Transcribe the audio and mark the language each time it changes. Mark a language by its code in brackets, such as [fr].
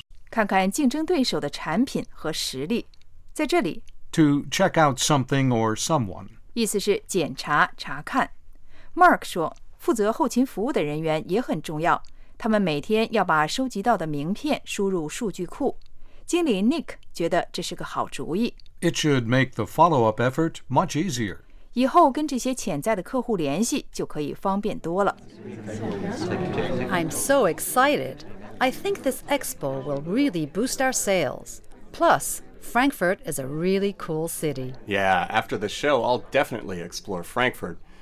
[zh] 看看竞争对手的产品和实力。在这里 [en] to check out something or someone. [zh] 意思是检查、查看。 Mark 说，负责后勤服务的人员也很重要，他们每天要把收集到的名片输入数据库。经理 Nick 觉得这是个好主意。 [en] It should make the follow-up effort much easier. [zh] 以后跟这些潜在的客户联系就可以方便多了。 [en] I'm so excited. I think this expo will really boost our sales. Plus, Frankfurt is a really cool city. Yeah, after the show, I'll definitely explore Frankfurt.